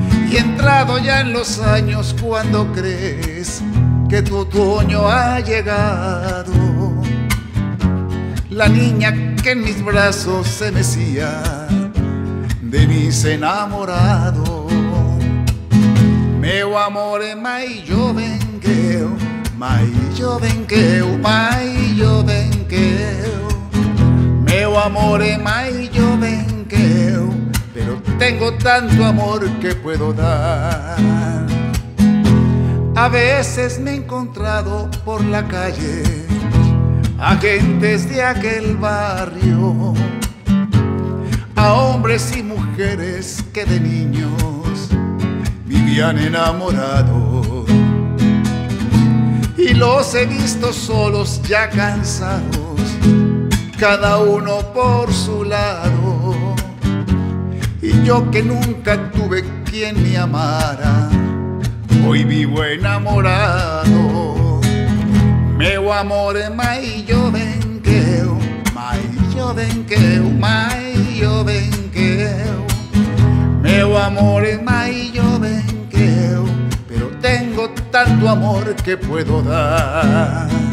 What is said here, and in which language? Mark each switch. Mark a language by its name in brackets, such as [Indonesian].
[Spanish] Y entrado ya en los años, cuando crees que tu otoño ha llegado, la niña que en mis brazos se mecía de mis enamorados. [Portuguese] Meu amor é mais jovem que eu, mais jovem que eu, mais jovem que eu. Meu amor é mais jovem que eu, [Spanish] pero tengo tanto amor que puedo dar. A veces me he encontrado por la calle a gentes de aquel barrio, a hombres y mujeres que de niños vivían enamorados. Y los he visto solos, ya cansados, cada uno por su lado. Y yo que nunca tuve quien me amara, hoy vivo enamorado. [Portuguese] Meu amor é mais jovem que eu, mais jovem que eu, mais jovem que eu. Meu amor é mais jovem que eu, [Spanish] pero tengo tanto amor que puedo dar.